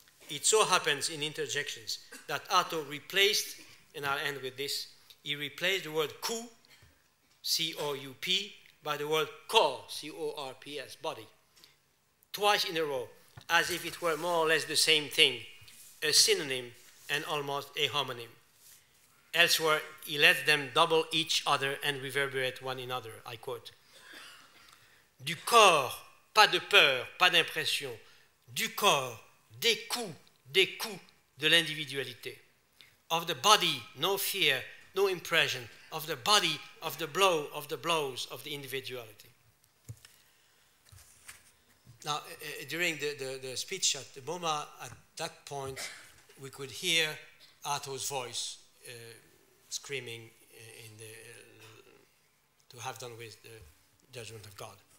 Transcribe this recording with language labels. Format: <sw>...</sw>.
<en>It so happens in interjections that Artaud replaced, and I'll end with this, he replaced the word coup, C-O-U-P, by the word corps, C-O-R-P-S, body, twice in a row, as if it were more or less the same thing, a synonym and almost a homonym. Elsewhere, he lets them double each other and reverberate one another. I quote,</en> <fr>du corps, pas de peur, pas d'impression, du corps, des coups de l'individualité.</fr> <en>Of the body, no fear, no impression, of the body, of the blow, of the blows, of the individuality. Now, during the speech at the MoMA, at that point, we could hear Artaud's voice screaming in the to have done with the judgment of God.</en>